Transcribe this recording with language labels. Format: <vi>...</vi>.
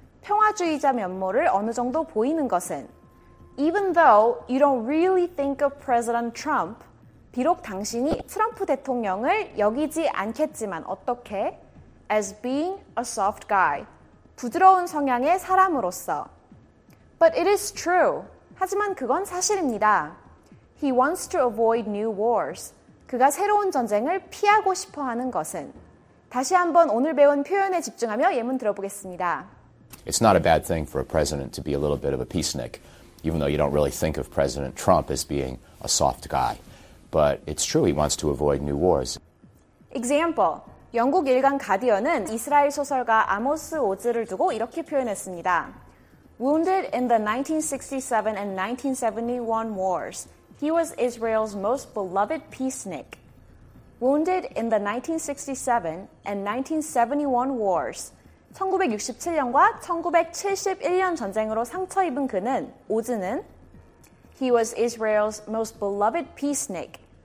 <ko>평화주의자 면모를 어느 정도 보이는 것은</ko> <en>even though you don't really think of President Trump,</en> <ko>비록 당신이 트럼프 대통령을 여기지 않겠지만 어떻게</ko> <en>as being a soft guy,</en> <ko>부드러운 성향의 사람으로서.</ko> <en>But it is true.</en> <ko>하지만 그건 사실입니다.</ko> <en>He wants to avoid new wars.</en> <ko>그가 새로운 전쟁을 피하고 싶어하는 것은. 다시 한번 오늘 배운 표현에 집중하며 예문 들어보겠습니다.</ko> <en>It's not a bad thing for a president to be a little bit of a peacenik, even though you don't really think of President Trump as being a soft guy. But it's true he wants to avoid new wars. Example.</en> <ko>영국 일간 가디언은 이스라엘 소설가 아모스 오즈를 두고 이렇게 표현했습니다.</ko> <en>Wounded in the 1967 and 1971 wars, he was Israel's most beloved peacenik. Wounded in the 1967 and 1971 wars,</en> <ko>1967년과 1971년 전쟁으로 상처 입은 그는, 오즈는</ko> <en>He was Israel's most beloved peacenik.</en>